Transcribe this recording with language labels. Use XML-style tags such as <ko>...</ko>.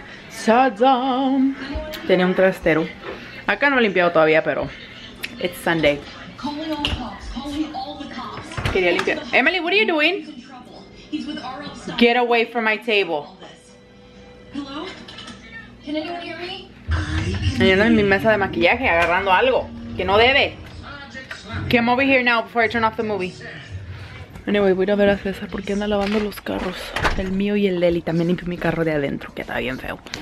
<es>Shazam. Tenía un trastero. Acá no he limpiado todavía, pero</es> <en>it's Sunday.</en> <es>Quería limpiar.</es> <en>Emily, what are you doing? Get away from my table.</en> <es>Ayer en mi mesa de maquillaje agarrando algo que no debe.</es> <en>Come over here now before I turn off the movie.</en> <es>Anyway, voy a ver a César porque anda lavando los carros. El mío y el de él. Y también limpio mi carro de adentro que estaba bien feo.</es>